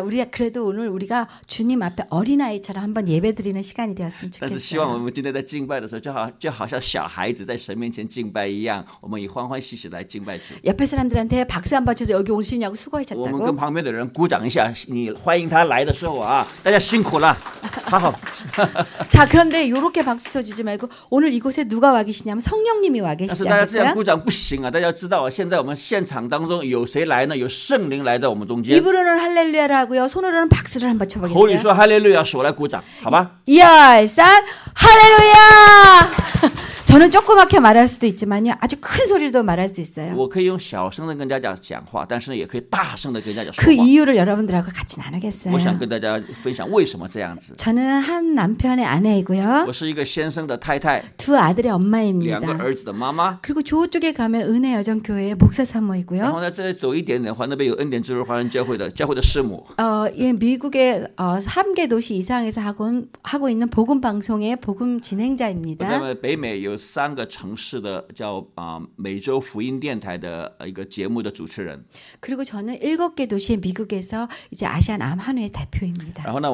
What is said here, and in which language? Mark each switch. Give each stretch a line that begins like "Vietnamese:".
Korean: 우리가 그래도 오늘 우리가 주님 앞에 어린아이처럼 한번 예배드리는 시간이 되었으면 좋겠어요.
Chinese: 但是希望我们今天在敬拜的时候就好像小孩子在神面前敬拜一样我们以欢欢喜喜来敬拜主
Korean: 옆에 사람들한테 박수 한번 쳐서 여기 오시냐고 수고하셨다고
Chinese: 我们跟旁边的人鼓掌一下你欢迎他来的时候啊大家辛苦了好好
Korean: 자, 그런데 이렇게 박수 쳐주지 말고 오늘 이곳에 누가 와 계시냐면 성령님이 와 계시지 않겠어요?
Chinese: 但是大家这样鼓掌不行啊！大家知道现在我们现场当中有谁来呢？有圣灵来到我们中间。
Korean: 입으로는 할렐루야라고요. 손으로는 박수를 한번 쳐보겠습니다.
Chinese: 口里说 할렐루야，手来鼓掌，好吧？一二三， 할렐루야！
Korean: 저는 조그맣게 말할 수도 있지만요, 아주 큰 소리로도 말할 수 있어요.
Chinese: 我可以用小声的跟大家讲话，但是也可以大声的跟大家说话。
Korean: 그 이유를 여러분들하고 같이 나누겠어요.
Chinese: 我想跟大家分享为什么这样子。
Korean: 저는 한 남편의 아내이고요.
Chinese: 我是一个先生的太太。
Korean: 두 아들의 엄마입니다.
Chinese: 两个儿子的妈妈。
Korean: 그리고 저쪽에 가면 은혜여정교회의 목사 사모이고요.
Chinese: 然后呢，再走一点点的话，那边有恩典之日华人教会的教会的师母。
Korean: 예, 미국의 3개 도시 이상에서 하고 있는 복음 방송의 복음 진행자입니다. 그다음에
Chinese: 北美 有三个城市的叫美洲福音电台的一个节目的主持人。
Korean: 그리고 저는 7개 도시의 미국에서 이제 아시안 암 한우의 대표입니다.